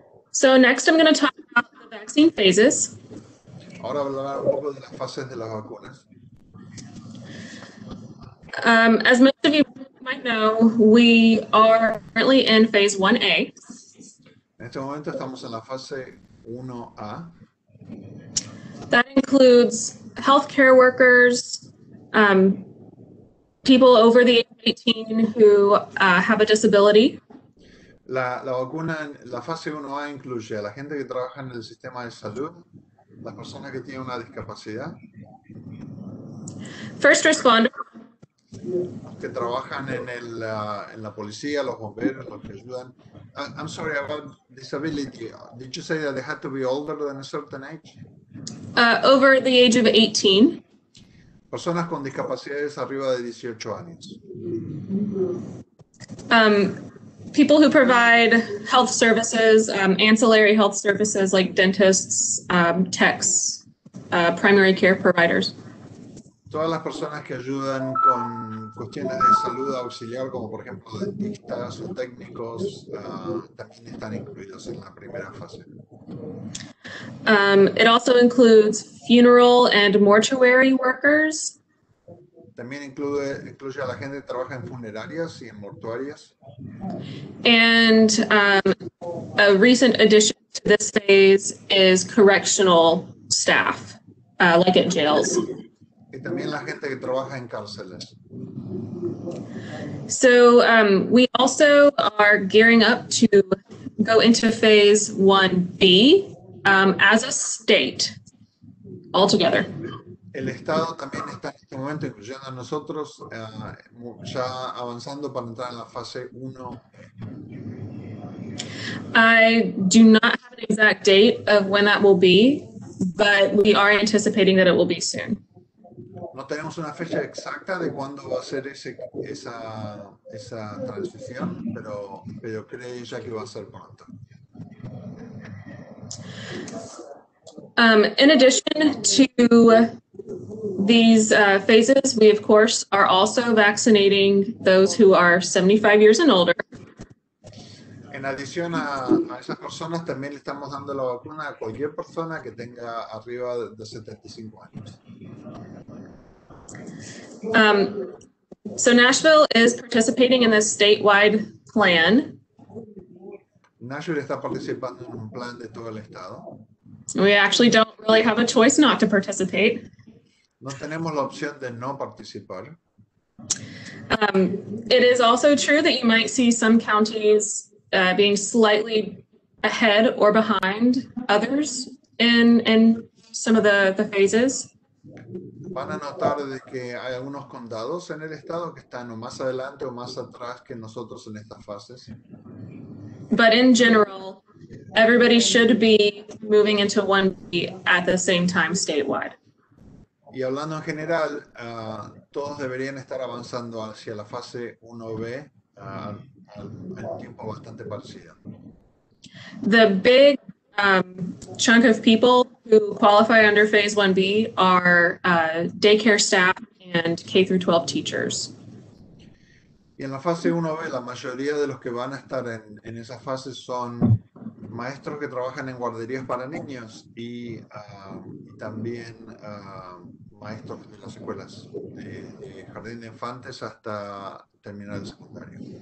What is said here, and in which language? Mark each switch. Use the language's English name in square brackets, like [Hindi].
[English] So next I'm going to talk about the vaccine. vaccine phases. [Spanish] Ahora hablará un poco de las fases de las vacunas. [English] As most of you might know, we are currently in phase 1A. [Spanish] En este momento estamos en la fase 1A. [English] That includes healthcare workers, people over the age of 18 who have a disability. [Spanish] La vacuna, la fase 1A incluye a la gente que trabaja en el sistema de salud, las personas que tienen una discapacidad. [English] First responder. [Spanish] Que trabajan en el en la policía, los bomberos, los que ayudan. [English] I'm sorry about disability. Did you say that they had to be older than a certain age? Over the age of 18. [Spanish] Personas con discapacidades arriba de 18 años. [English] People who provide health services, ancillary health services like dentists, techs, primary care providers. [Spanish] Todas las personas que ayudan con cuestiones de salud auxiliar, como por ejemplo dentistas o técnicos, también están incluidos en la primera fase. [English] It also includes funeral and mortuary workers. [Spanish] También incluye a la gente que trabaja en funerarias y en mortuarias. [English] And a recent addition to this phase is correctional staff, like at jails. [Spanish] Y también la gente que trabaja en cárceles. [English] So we also are gearing up to go into phase 1B as a state altogether. [Spanish] El Estado también está en este momento incluyendo a nosotros ya avanzando para entrar en la fase 1. [English] I do not have an exact date of when that will be, but we are anticipating that it will be soon. [Spanish] No tenemos una fecha exacta de cuándo va a ser esa transición, pero creo ya que va a ser pronto. [English] In addition to these phases, we of course are also vaccinating those who are 75 years and older. [Spanish] En adición a esas personas, también le estamos dando la vacuna a cualquier persona que tenga arriba de 75 años. [English] So Nashville is participating in this statewide plan. [Spanish] Nashville está participando en un plan de todo el estado. [English] We actually don't really have a choice not to participate. [Spanish] No tenemos la opción de no participar. [English] It is also true that you might see some counties being slightly ahead or behind others in some of the phases. [Spanish] Van a notar de que hay algunos condados en el estado que están más adelante o más atrás que nosotros en estas fases. [English] But in general, everybody should be moving into 1B at the same time statewide. [Spanish] Y hablando en general, todos deberían estar avanzando hacia la fase 1B al tiempo bastante parecido. [English] The big chunk of people who qualify under phase 1B are daycare staff and K-12 teachers. [Spanish] Y en la fase 1B, la mayoría de los que van a estar en esa fase son maestros que trabajan en guarderías para niños y también maestros de las escuelas, de jardín de infantes hasta terminar el secundario.